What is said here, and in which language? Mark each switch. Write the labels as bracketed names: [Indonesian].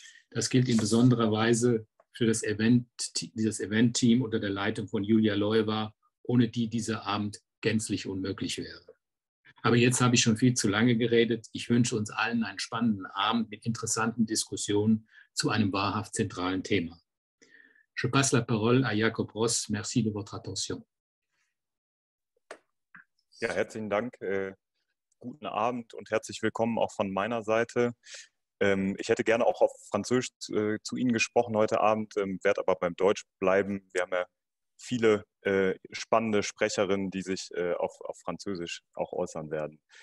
[German] Das gilt in besonderer Weise für das Event-Team unter der Leitung von Julia Leuwer ohne die dieser Abend gänzlich unmöglich wäre. Aber jetzt habe ich schon viel zu lange geredet. Ich wünsche uns allen einen spannenden Abend mit interessanten Diskussionen zu einem wahrhaft zentralen Thema. [French] Je passe la parole à Jakob Ross. Merci de votre attention. [German] Ja, herzlichen Dank. Guten Abend und herzlich willkommen auch von meiner Seite. Ich hätte gerne auch auf Französisch zu Ihnen gesprochen heute Abend, werde aber beim Deutsch bleiben. Wir haben ja viele spannende Sprecherinnen, die sich auf Französisch auch äußern werden.